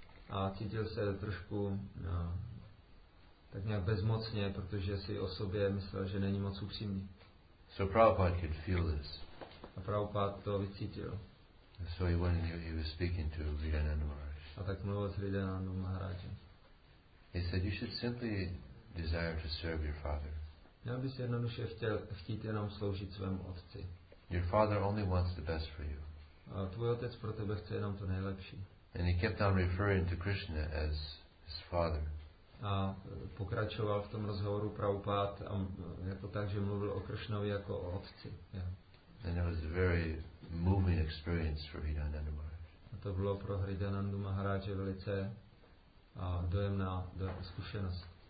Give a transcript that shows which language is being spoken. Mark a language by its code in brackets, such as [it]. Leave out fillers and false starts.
[cs] A cítil se trošku tak nějak bezmocně, protože si o sobě myslel, že není moc upřímný. [en] So Prabhupada could feel this. [cs] A Prabhupada to vycítil. [en] So he went and he was speaking to Vidyananda Maharaj. [cs] A tak mluvil s Vidyanandou Maharajem. [en] He said, you should simply desire to serve your father. [cs] Měl bys jednoduše chtít jenom sloužit svému otci. [en] Your father only wants the best for you. [cs] A tvůj otec pro tebe chce jenom to nejlepší. [en] And he kept on referring to Krishna as his father. [cs] A pokračoval v tom rozhovoru Prabhupád a jako tak, že mluvil o Krishnovi jako o otci. [en] Yeah. And it was a very moving experience for Hridayananda Maharaj. [cs] A to bylo pro Hridayananda Maharaje velice dojemná zkušenost.